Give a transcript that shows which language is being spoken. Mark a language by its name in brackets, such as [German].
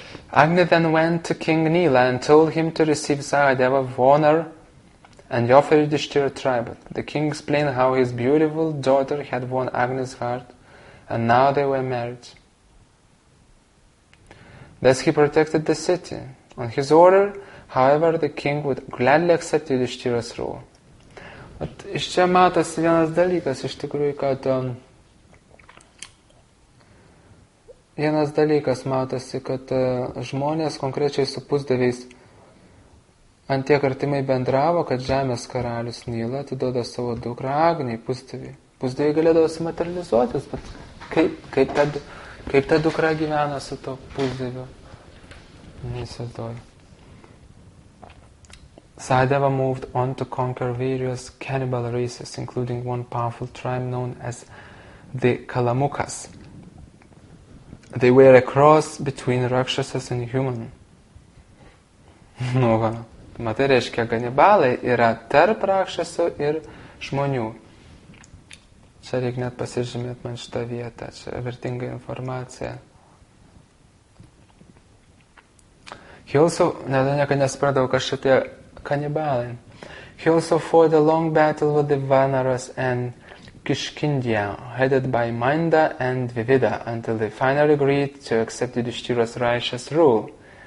[English] Agni then went to King Nila and told him to receive Sahadeva honor and offer Yudhishthira tribute. The king explained how his beautiful daughter had won Agni's heart and now they were married. Thus he protected the city. On his order, however, the king would gladly accept Yudhishthira's rule. [Lithuanian] At iš čia matosi vienas dalykas, iš tikrųjų, kad vienas dalykas matosi, kad žmonės konkrečiai su pusdeviais ant tiek artimai bendravo, kad žemės karalius Nyla atiduoda savo dukrą Agnei pusdevį. Pusdeviai galėdavo sumaterializuotis, bet kaip ta dukra gyvena su to pusdeviu? Neįsivaizduoju. [English] Sahadeva moved on to conquer various cannibal races, including one powerful tribe known as the Kalamukas. They were a cross between rakshasas and human. [Lithuanian] Nu va, matai reiškia, kanibalai yra tarp rakšasų ir žmonių. Čia reikia net pasižymėti man šitą vietą, čia vertinga informacija. [English] He also fought a long battle with the Vanaras and Kishkindya, headed by Mainda and Dvivida, until they finally agreed to accept Yudhishthira's righteous rule.